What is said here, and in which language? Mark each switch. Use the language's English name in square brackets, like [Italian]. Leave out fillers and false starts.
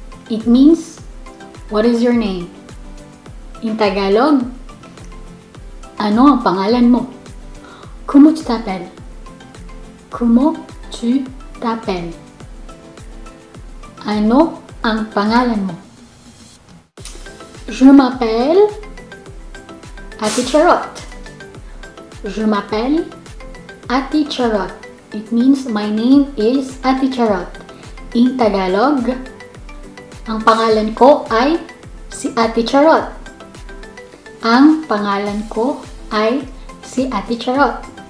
[English] It means what is your name? In Tagalog, [Filipino] ano ang pangalan mo? [French] Comment tu t'appelles? Comment tu t'appelles? [Filipino] Ano ang pangalan mo? [French] Je m'appelle Ati Charot. Je m'appelle Ati Charot. [English] It means my name is Ati Charot. In Tagalog, [Filipino] ang pangalan ko ay si Ati Charot. Ang pangalan ko ay si Ati Charot.